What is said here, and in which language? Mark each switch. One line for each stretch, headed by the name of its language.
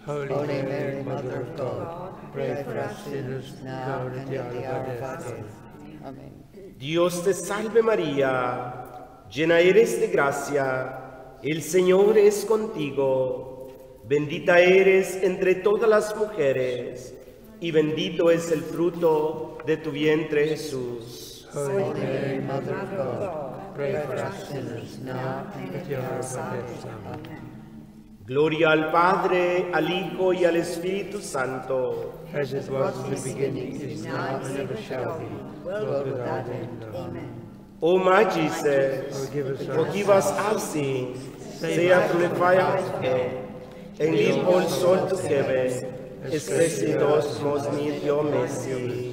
English: Holy Mary, Mother of God, pray for us sinners now and at the hour of our death. Amen.
Spanish: Dios te salve María, llena eres de gracia, el Señor es contigo. Bendita eres entre todas las mujeres, y bendito es el fruto de tu vientre, Jesús.
English: Holy Mary, Mother of God, pray for us sinners now and at the hour of our death. Amen.
Spanish: Gloria al Padre, al Hijo y al Espíritu Santo.
English: As it was in the beginning, is now, and ever shall be, world without end. Amen. O my Jesus, forgive us our sins, save us from the fire of hell, and lead all souls to heaven, especially those most need your mercy.